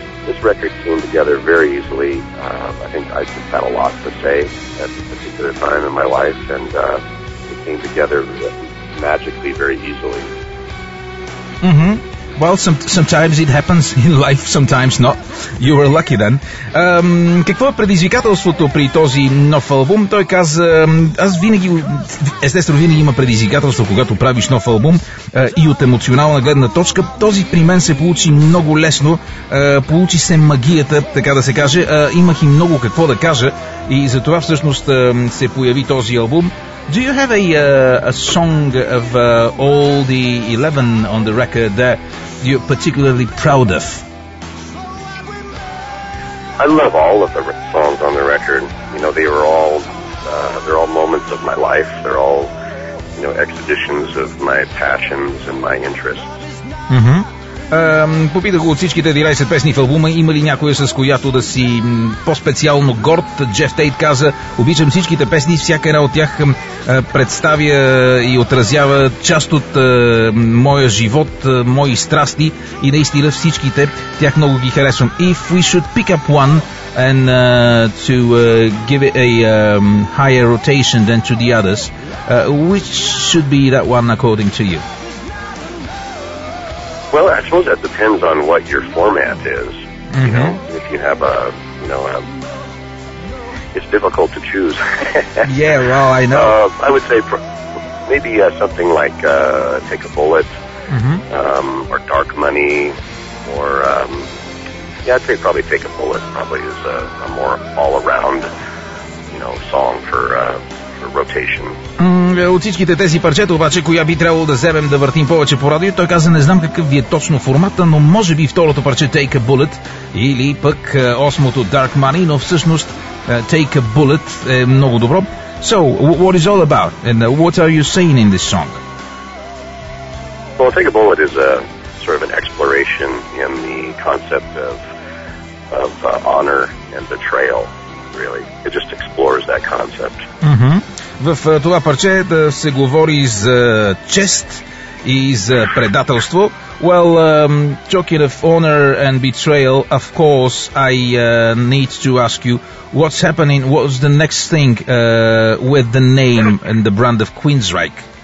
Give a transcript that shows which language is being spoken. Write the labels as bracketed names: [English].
[English] This record came together very easily. I think I just had a lot to say at a particular time in my life, and it came together magically very easily. Mm-hmm. Well, sometimes it happens in life, sometimes not. You were lucky then. [Bulgarian] Какво е предизвикателството при този нов албум? Той каза, аз винаги, естествено, винаги има предизвикателство, когато правиш нов албум, и от емоционална гледна точка. Този при мен се получи много лесно, получи се магията, така да се каже. Имах и много какво да кажа и затова всъщност се появи този албум. [English] Do you have a song of all the 11 on the record that you're particularly proud of? I love all of the songs on the record. You know, they were all they're all moments of my life. They're all, you know, expeditions of my passions and my interests. Mm-hmm. [Bulgarian] Попитах го от всичките 11 песни в албума, има ли някоя, с която да си по-специално горд. Джеф Тейт каза, обичам всичките песни, всяка една от тях представя и отразява част от моя живот, мои страсти, и наистина всичките тях много ги харесвам. [English] If we should pick up one and to give it a higher rotation than to the others, which should be that one according to you? Well, I suppose that depends on what your format is. Mm-hmm. You know, if you have a, you know, a, it's difficult to choose. Yeah, well, I know. I would say maybe something like Take a Bullet, mm-hmm. Or Dark Money, or, yeah, I'd say probably Take a Bullet probably is a more all-around, you know, song for rotation. [Bulgarian] От всичките тези парчета, обаче, коя би трябвало да вземем да въртим повече по радио, той каза, не знам какъв ви е точно формата, но може би второто парче Take a Bullet или пък осмото Dark Money, но всъщност Take a Bullet е много добро. [English] So, what is all about and what are you saying in this song? Well, Take a Bullet is a sort of an exploration in the concept of honor and betrayal, really. It just explores that concept. Mm-hmm. [Bulgarian] В това парче да се говори за чест и за предателство. [English] Well, talking of honor and betrayal, of course, I need to ask you, what's happening, what's the next thing with the name and the brand of Queensryche?